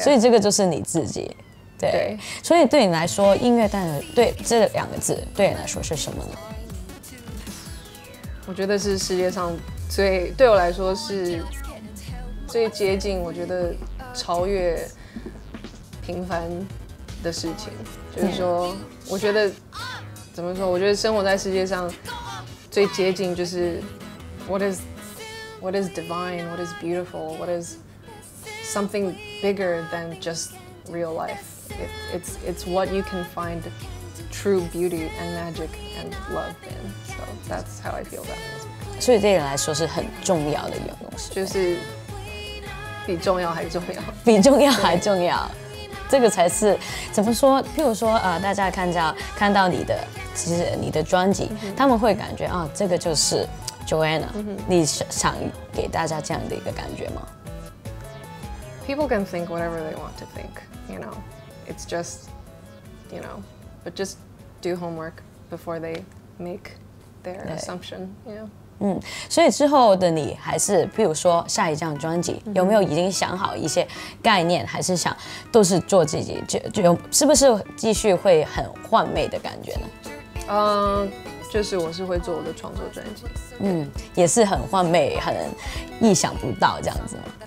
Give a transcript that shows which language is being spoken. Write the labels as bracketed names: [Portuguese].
[Chinese] 所以这个就是你自己对，所以对你来说，音乐当然对这两个字对你来说是什么呢？我觉得是世界上最对我来说是最接近，我觉得超越平凡的事情。就是说，我觉得怎么说？我觉得生活在世界上最接近就是 [English] what is divine, what is beautiful, what is something bigger than just real life. It's what you can find true beauty and magic and love in. So that's how I feel about it. [Chinese] 所以对你来说是很重要的一个东西，就是比重要还重要，比重要还重要。这个才是怎么说？譬如说大家看到你的，其实你的专辑， mm-hmm. 他们会感觉啊，这个就是 Joanna、mm-hmm. 你想给大家这样的一个感觉吗 [English] ？People can think whatever they want to think, you know. It's just, you know, but just do homework before they make their assumption, you know. [Chinese] 嗯，所以之后的你还是，譬如说下一张专辑，有没有已经想好一些概念，还是想都是做自己，就是不是继续会很幻美的感觉呢？就是我是会做我的创作专辑。嗯，也是很幻美，很意想不到这样子吗？